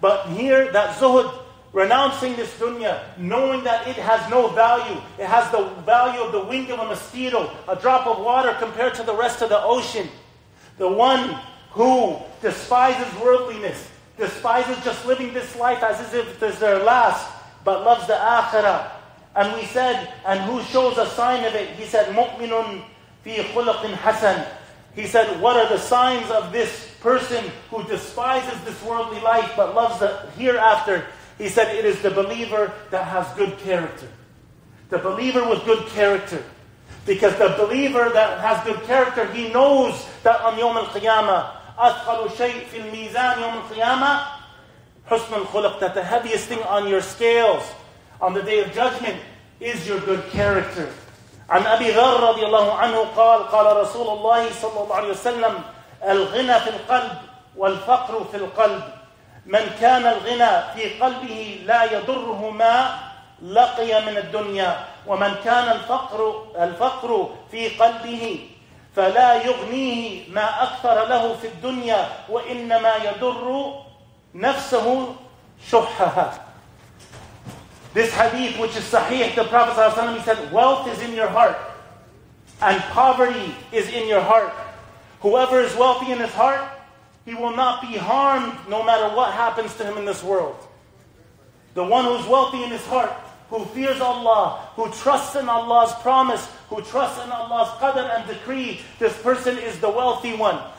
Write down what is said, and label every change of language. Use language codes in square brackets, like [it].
[en] But here, that zuhud, renouncing this dunya, knowing that it has no value, it has the value of the wing of a mosquito, a drop of water compared to the rest of the ocean. The one who despises worldliness, despises just living this life as if it is their last, but loves the akhirah. And we said, and who shows a sign of it? He said, [ar] مُؤْمِنٌ فِي خُلَقٍ حَسَنٍ. [en] He said, what are the signs of this person who despises this worldly life, but loves the hereafter? He said, it is the believer that has good character. The believer with good character. Because the believer that has good character, he knows that on Yawm al-Qiyamah, [ar] أَثْقَلُ شَيْءٍ فِي الْمِيزَانِ يَوْمَ الْقِيَامَةِ حُسْنُ الْخُلَقِ. [en] That the heaviest thing on your scales on the Day of Judgment is your good character. [ar] عن أبي ذر رضي الله عنه قال قال رسول الله صلى الله عليه وسلم الغنى في القلب والفقر في القلب. من كان الغنى في قلبه لا يضره ما لقي من الدنيا ومن كان الفقر في قلبه فلا يغنيه ما أكثر له في الدنيا وإنما يضر نفسه شحها. [en] This hadith, which is sahih, the Prophet ﷺ said, wealth is in your heart and poverty is in your heart. Whoever is wealthy in his heart, he will not be harmed no matter what happens to him in this world. The one who's wealthy in his heart, who fears Allah, who trusts in Allah's promise, who trusts in Allah's qadr and decree, this person is the wealthy one.